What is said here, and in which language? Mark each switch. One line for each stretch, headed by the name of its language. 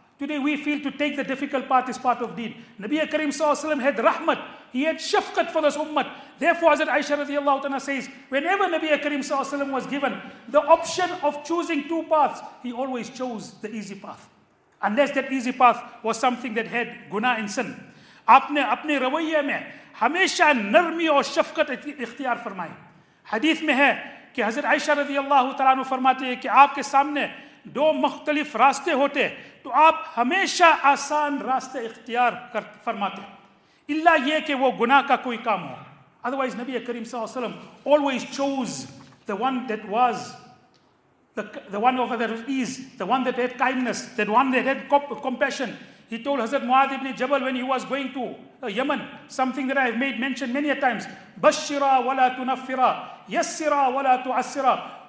English: Today we feel to take the difficult path is part of deen. Nabi Karim sallallahu alaihi wasallam had rahmat, he had shafqat for this ummat. Therefore Hazrat Aisha radiallahu ta'ala says, whenever Nabi Karim sallallahu alaihi wasallam was given the option of choosing two paths, he always chose the easy path, unless that easy path was something that had guna and sin.
Urdu: اپنے اپنے رویے میں ہمیشہ نرمی اور شفقت اختیار فرمائیں. حدیث میں ہے کہ حضرت عائشہ رضی اللہ تعالیٰ عنہ فرماتے ہیں کہ آپ کے سامنے دو مختلف راستے ہوتے تو آپ ہمیشہ آسان راستے اختیار فرماتے, الا یہ کہ وہ گناہ کا کوئی کام ہو.
English: Otherwise نبی کریم صلی اللہ علیہ وسلم always chose the one that was the one of the ease, the one that had kindness, the one that had compassion. He told Hazrat Mu'adh ibn Jabal when he was going to Yemen, something that I have made mention many a times,
Arabic: Bashira wala tunaffira, yassira wala tu'assira.